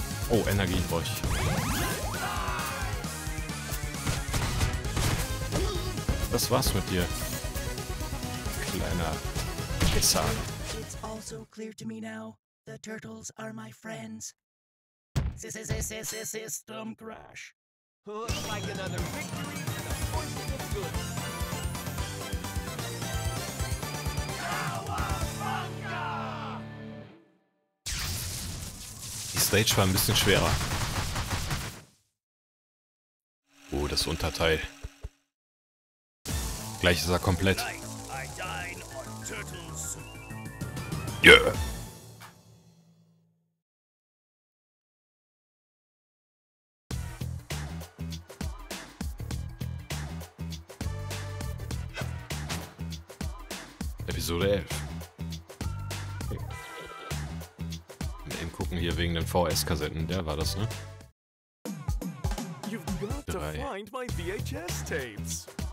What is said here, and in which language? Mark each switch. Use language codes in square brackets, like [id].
[de] Oh, Energie brauche ich. Das war's mit dir, kleiner Pissar. [en] It's also clear to me now, the turtles are my friends. System crash. Looks like another victory and a force of good. [de] Stage war ein bisschen schwerer. Oh, das Unterteil. Gleich ist er komplett. [en] Yeah. Episode 11. [de] Hier wegen den VHS-Kassetten, der war das, ne? [en] You've got to find my VHS tapes.